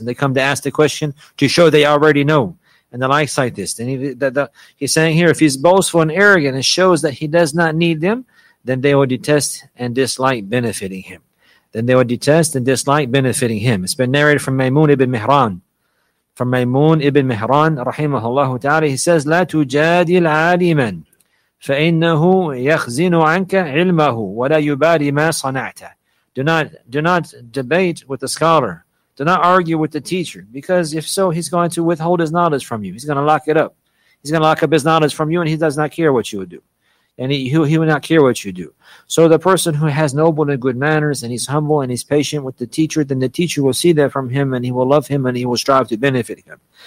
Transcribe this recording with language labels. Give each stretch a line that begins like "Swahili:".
English: And they come to ask the question to show they already know. And the likes like this. And he's saying here, if he's boastful and arrogant and shows that he does not need them, then they will detest and dislike benefiting him. It's been narrated from Maymun ibn Mihran. Rahimahullah ta'ala. He says,
Arabic: لَا تُجَادِلْ عَالِمًا فَإِنَّهُ يَخْزِنُ عَنْكَ عِلْمَهُ وَلَا يُبَارِي مَا صَنَعْتَ.
English: Do not debate with the scholar. Do not argue with the teacher. Because if so, he's going to withhold his knowledge from you. He's going to lock it up. He's going to lock up his knowledge from you, and he does not care what you would do. And he will not care what you do. So the person who has noble and good manners, and he's humble and he's patient with the teacher, then the teacher will see that from him, and he will love him, and he will strive to benefit him.